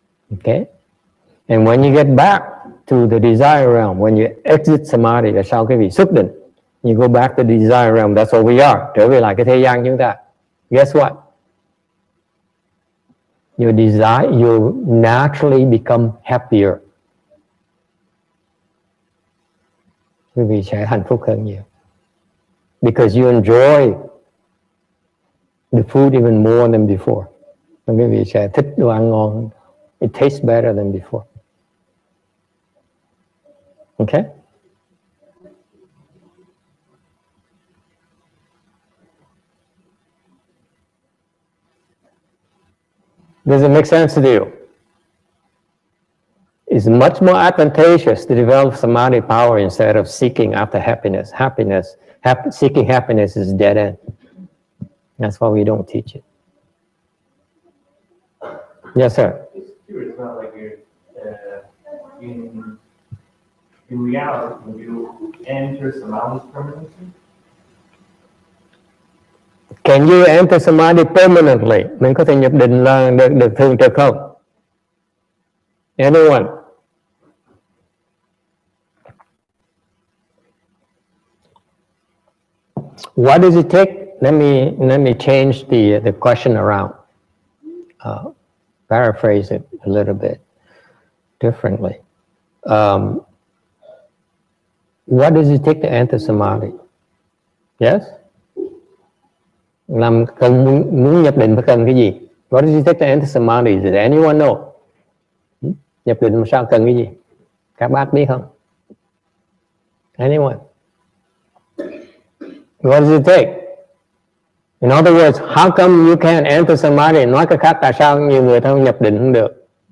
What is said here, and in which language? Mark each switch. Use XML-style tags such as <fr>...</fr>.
<en>Okay. And when you get back to the desire realm, when you exit samadhi,</en> <vi>là sau cái vị xuất định,</vi> <en>you go back to the desire realm, that's what we are,</en> <vi>trở về lại cái thế gian chúng ta.</vi> <en>Guess what? Your desire, you naturally become happier.</en> <vi>quý vị sẽ hạnh phúc hơn nhiều.</vi> <en>Because you enjoy the food even more than before.</en> <vi>Và quý vị sẽ thích đồ ăn ngon.</vi> <en>It tastes better than before. Okay? Does it make sense to you? It's much more advantageous to develop samadhi power instead of seeking after happiness. Happiness, seeking happiness is dead end. That's why we don't teach it. Yes, sir. It's true. It's not like you're in reality when you enter samadhi permanently. Can you enter samadhi permanently?</en> <vi>Mình có thể nhập định là được được thường trực không?</vi> <en>Anyone? What does it take? Let me change the question around. Paraphrase it a little bit differently. What does it take to enter samadhi? Yes?</en> <vi>Làm cần muốn nhập định phải cần cái gì?</vi> <en>What does it take to enter samadhi? Does anyone know?</en> <vi>Nhập định làm sao cần cái gì? Các bác biết không?</vi> <en>Anyone? What does it take? In other words, how come you can't enter samadhi?</en> <vi>Nói cách khác, tại sao nhiều người không nhập định không được?</vi>